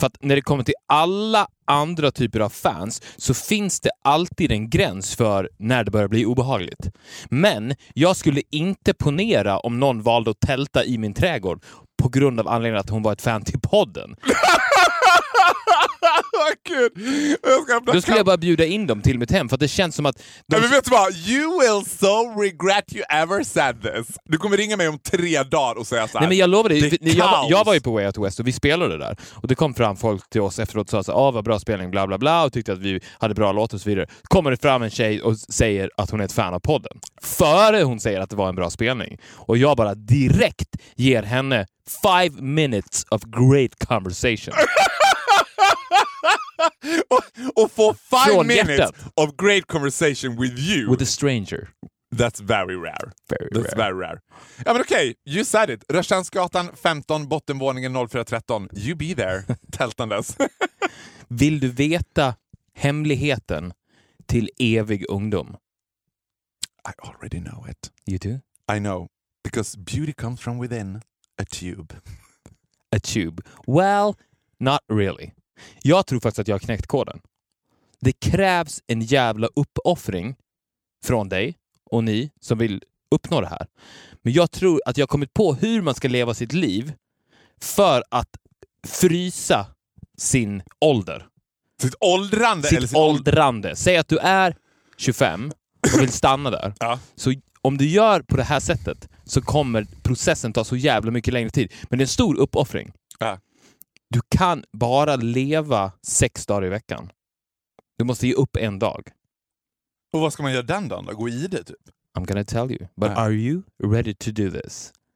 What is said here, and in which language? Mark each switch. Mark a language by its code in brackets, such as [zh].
[sv] För att när det kommer till alla andra typer av fans så finns det alltid en gräns för när det börjar bli obehagligt. Men jag skulle inte ponera om någon valde att tälta i min trädgård på grund av anledningen att hon var ett fan till podden. Vad kul. Då skulle jag bara bjuda in dem till mitt hem. För att det känns som att de... Men vet du vad? [en] You will so regret you ever said this. [sv] Du kommer ringa mig om 3 dagar och säga så här. Nej, men jag lovar dig, jag var ju på Way Out West och vi spelade det där. Och det kom fram folk till oss efteråt och sa så här, vad bra spelning, bla bla bla. Och tyckte att vi hade bra låt och så vidare. Kommer det fram en tjej och säger att hon är ett fan av podden. Före hon säger att det var en bra spelning. Och jag bara direkt ger henne [en] 5 minutes of great conversation. [sv] Och för [en] 5 minutes of great conversation with you. With a stranger. That's very rare. Very rare. [sv] Ja, men okej, [en] okay, you said it. [sv] Rörstjärnsgatan 15, bottenvåningen 0413. [en] You be there, tältandes. [sv] Vill du veta hemligheten till evig ungdom? [en] I already know it. You do? I know. Because beauty comes from within a tube. A tube. Well, not really. [sv] Jag tror faktiskt att jag har knäckt koden. Det krävs en jävla uppoffring från dig och ni som vill uppnå det här. Men jag tror att jag har kommit på hur man ska leva sitt liv för att frysa sin ålder. Sitt åldrande? Sitt åldrande. Säg att du är 25 och vill stanna där. Ja. Så om du gör på det här sättet så kommer processen ta så jävla mycket längre tid. Men det är en stor uppoffring. Ja. Du kan bara leva 6 dagar i veckan. Du måste ge upp en dag. Och vad ska man göra den dagen då? Gå i det typ? [en] I'm gonna tell you. But are you ready to do this?